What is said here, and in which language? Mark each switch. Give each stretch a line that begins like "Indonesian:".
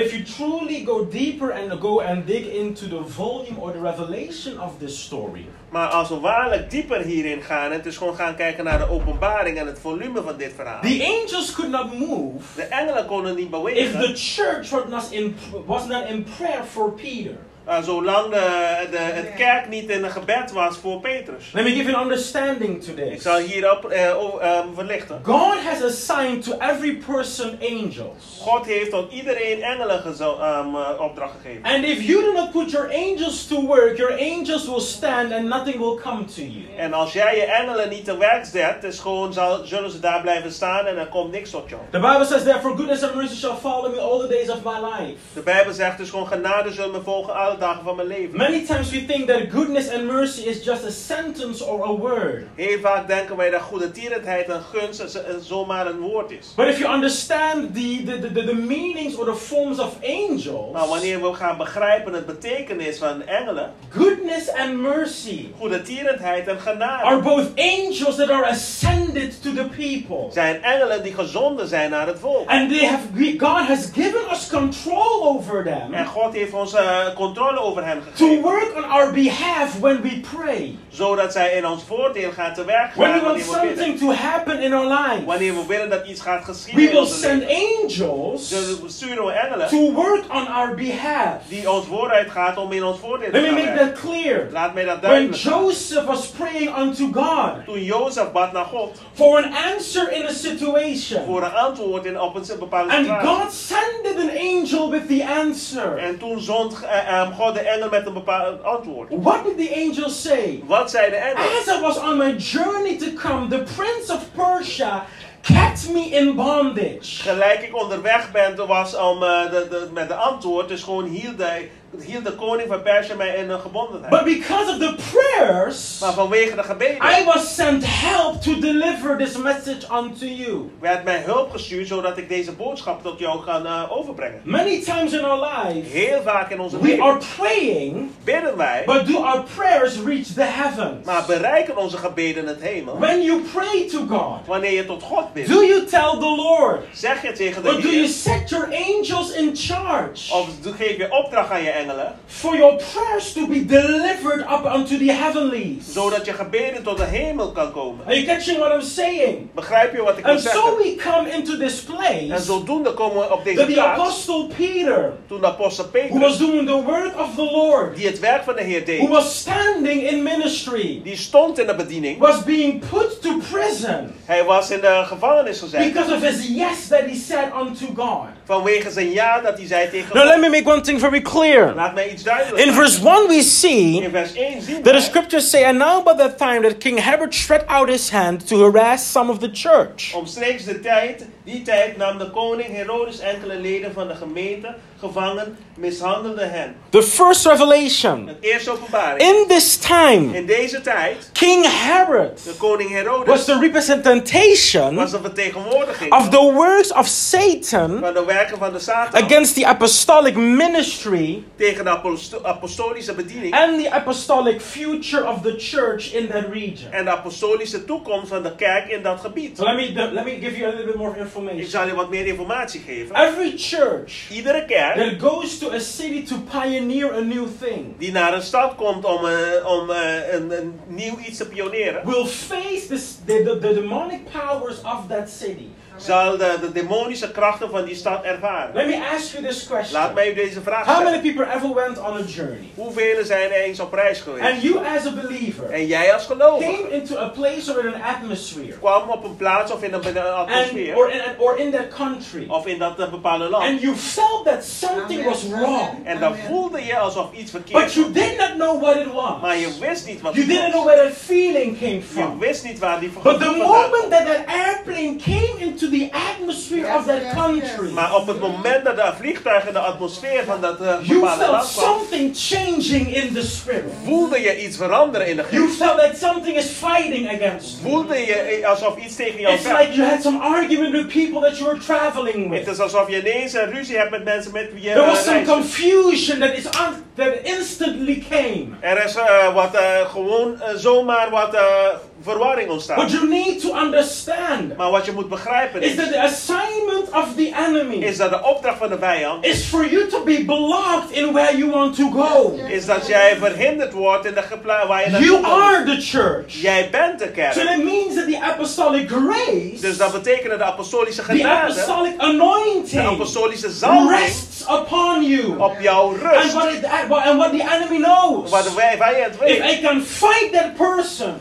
English: But if you truly go deeper and go and dig into the volume or the revelation of this story.
Dutch: Maar als we waarlijk dieper hierin gaan en dus gewoon gaan kijken naar de openbaring en het volume van dit verhaal.
English: The angels could not move.
Dutch: De engelen konden niet bewegen.
English: If the church was not in prayer for Peter.
Dutch: Zolang het kerk niet in een gebed was voor Petrus.
English: Let me give an understanding to this.
Dutch: Ik zal hierop verlichten.
English: God has assigned to every person angels.
Dutch: God heeft tot iedereen engelen opdracht gegeven.
English: And if you do not put your angels to work, your angels will stand and nothing will come to you.
Dutch: En als jij je engelen niet te werk zet, dus gewoon zullen ze daar blijven staan en er komt niks op jou.
English: The Bible says, therefore goodness and mercy shall follow me all the days of my life.
Dutch: De Bijbel zegt dus gewoon genade zullen me volgen. Dagen van mijn leven.
English: Many times we think that goodness and mercy is just a sentence or a word.
Dutch: Heel vaak denken wij dat goedertierendheid een gunst en zomaar een woord is.
English: But if you understand the meanings or the forms of angels.
Dutch: Maar wanneer we gaan begrijpen het betekenis van engelen.
English: Goodness and mercy.
Dutch: Goedertierendheid en genade.
English: Are both angels that are ascended to the people.
Dutch: Zijn engelen die gezonden zijn naar het volk.
English: And God has given us control over them.
Dutch: En God heeft ons controle over hem gegeven.
English: To work on our behalf when we pray.
Dutch: Zodat zij in ons voordeel gaan te werk gaan.
English: When we want something to happen in our lives.
Dutch: Wanneer we willen dat iets gaat geschieden.
English: We will send angels.
Dutch: Sturen we engelen.
English: To work on our behalf.
Dutch: Die ons vooruit gaat om in ons voordeel te
English: werken. Let me make that clear.
Dutch: Laat mij dat duidelijk.
English: When Joseph was praying unto God.
Dutch: Toen Jozef bad naar God.
English: For an answer in a situation.
Dutch: Voor een antwoord in op een bepaalde situatie.
English: And God sended an angel with the answer.
Dutch: En toen zond God de engel met een bepaald antwoord.
English: What did the angel say?
Dutch: Wat zei de engel?
English: As I was on my journey to come, the prince of Persia kept me in bondage.
Dutch: Gelijk ik onderweg ben, was om met de antwoord, dus gewoon hield de koning van Persia mij in een gebondenheid.
English: But because of the prayers,
Dutch: maar vanwege de gebeden,
English: I was sent help to deliver this message unto you.
Dutch: Werd mij hulp gestuurd zodat ik deze boodschap tot jou kan overbrengen.
English: Many times in our lives,
Dutch: heel vaak in onze we leven,
English: are praying,
Dutch: bidden wij,
English: but do our prayers reach the heavens?
Dutch: Maar bereiken onze gebeden het hemel?
English: When you pray to God,
Dutch: wanneer je tot God bidt,
English: do you tell the Lord?
Dutch: Zeg je tegen de
English: or
Dutch: Heer?
English: Do you set your angels in charge?
Dutch: Of geef je opdracht aan je
English: for your prayers to be delivered up unto the heavenlies.
Dutch: Zodat je gebeden tot de hemel kan komen.
English: Are you catching what I'm saying?
Dutch: Begrijp je wat ik
English: and
Dutch: wil zeggen?
English: And so we come into this place.
Dutch: En zodoende komen we op deze
English: that
Dutch: plaats.
English: The apostle Peter.
Dutch: Toen de apostel Petrus.
English: Who was doing the work of the Lord.
Dutch: Die het werk van de Heer deed.
English: Who was standing in ministry.
Dutch: Die stond in de bediening.
English: Was being put to prison.
Dutch: Hij was in de gevangenis gezet.
English: Because of his yes that he said unto God.
Dutch: Vanwege zijn ja dat hij zei tegen God.
English: Now let me make one thing very clear. In verse 1 we see that the scriptures say, and now about that time that King Herod stretched out his hand to harass some of the church.
Dutch: Omstreeks die tijd nam de koning Herodes enkele leden van de gemeente gevangen, mishandelde hen.
English: The first revelation.
Dutch: Het eerste openbaring.
English: In this time.
Dutch: In deze tijd.
English: King Herod.
Dutch: De koning Herodes.
English: Was the representation.
Dutch: Was de vertegenwoordiging.
English: Of the works of Satan.
Dutch: Van de werken van de Satan.
English: Against the apostolic ministry.
Dutch: Tegen de apostolische bediening.
English: And the apostolic future of the church in that region.
Dutch: En de apostolische toekomst van de kerk in dat gebied.
English: Let me give you a little bit more information.
Dutch: Ik zal je wat meer informatie geven.
English: Every church.
Dutch: Iedere kerk.
English: That goes to a city to pioneer a new thing.
Dutch: Die naar een stad komt om een nieuw iets te pioneren.
English: Will face the demonic powers of that city.
Dutch: Zal de demonische krachten van die stad ervaren.
English: Let me ask you this question.
Dutch: Laat mij u deze vraag
English: How
Dutch: stellen.
English: Many people ever went on a journey?
Dutch: Hoeveel zijn eens op reis geweest?
English: And you as a believer.
Dutch: En jij als gelovige.
English: Came into a place or in an atmosphere.
Dutch: Kwam op een plaats of in een atmosfeer.
English: Or in that country.
Dutch: Of in dat bepaalde land.
English: And you felt that something was wrong.
Dutch: En dan voelde je alsof iets verkeerd.
English: But you did not know what it was.
Dutch: Maar je wist niet wat.
English: You didn't know where that feeling came from.
Dutch: Je wist niet waar die vandaan kwam.
English: But the moment that airplane came into to the atmosphere of that country.
Dutch: Maar op het moment dat de vliegtuig in de atmosfeer van dat
English: you felt something changing in the spirit.
Dutch: Voelde je iets veranderen in de geest.
English: You felt that something is fighting against.
Dutch: Voelde je alsof iets tegen jou.
English: It's like you had some argument with people that you were traveling with.
Dutch: Het is alsof je ineens een ruzie hebt met mensen met wie je
English: There was some confusion that is that instantly came.
Dutch: Er is wat gewoon zomaar wat verwarring ontstaat.
English: What you need to understand.
Dutch: Maar wat je moet begrijpen
English: is that the assignment of the enemy.
Dutch: Is dat de opdracht van de vijand.
English: Is for you to be blocked in where you want to go.
Dutch: Is dat jij verhinderd wordt in de plaats waar je naartoe.
English: You are the church.
Dutch: Jij bent de kerk.
English: So that means that the apostolic grace.
Dutch: Dus dat betekent dat de apostolische genade.
English: The apostolic anointing.
Dutch: De apostolische zalving.
English: Rests upon you.
Dutch: Op jouw rust.
English: And what the enemy knows.
Dutch: Wat de vijand weet.
English: If I can fight that person.